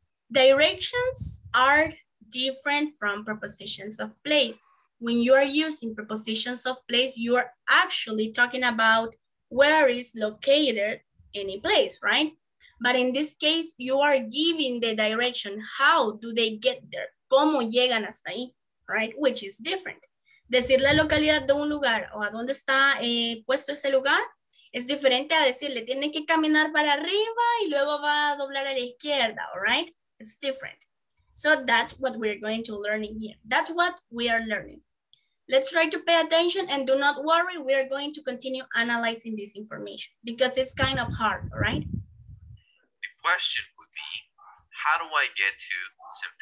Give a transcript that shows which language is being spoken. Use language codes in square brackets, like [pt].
[en] Directions are different from prepositions of place. When you are using prepositions of place, you are actually talking about where is located any place, right? But in this case, you are giving the direction. How do they get there? [es] ¿Cómo llegan hasta ahí? [en] Right? Which is different. [es] Decir la localidad de un lugar o a dónde está puesto ese lugar es diferente a decirle tiene que caminar para arriba y luego va a doblar a la izquierda, [en] all right? It's different. So that's what we're going to learn in here. That's what we are learning. Let's try to pay attention and do not worry. We are going to continue analyzing this information because it's kind of hard, all right? The question would be, how do I get to St.